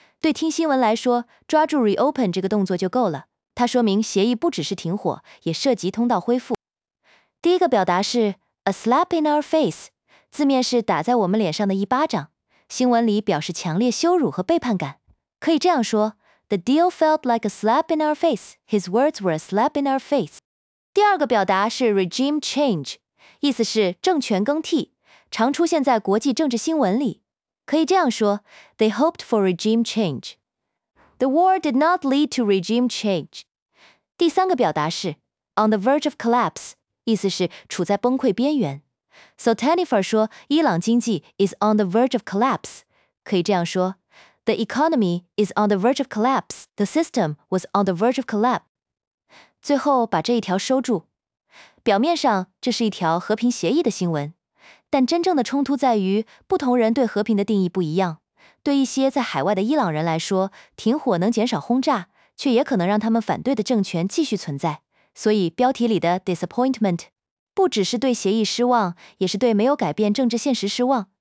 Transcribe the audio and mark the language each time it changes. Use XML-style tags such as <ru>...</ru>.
<zh>对听新闻来说，抓住 reopen 这个动作就够了。它说明协议不只是停火，也涉及通道恢复。第一个表达是</zh> <en>a slap in our face，</en> <zh>字面是打在我们脸上的一巴掌。新闻里表示强烈羞辱和背叛感。</zh> <en>可以这样说 ，The deal felt like a slap in our face. His words were a slap in our face.</en> <zh>第二个表达是 regime change， 意思是政权更替，常出现在国际政治新闻里。</zh> <en>可以这样说 ，They hoped for regime change. The war did not lead to regime change.</en> <zh>第三个表达是</zh> <en>on the verge of collapse，</en> <zh>意思是处在崩溃边缘。 Soltanifar 说，伊朗经济</zh> <en>is on the verge of collapse. 可以这样说 ，The economy is on the verge of collapse. The system was on the verge of collapse.</en> <zh>最后把这一条收住。表面上这是一条和平协议的新闻。但真正的冲突在于，不同人对和平的定义不一样。对一些在海外的伊朗人来说，停火能减少轰炸，却也可能让他们反对的政权继续存在。所以标题里的 disappointment 不只是对协议失望，也是对没有改变政治现实失望。</zh>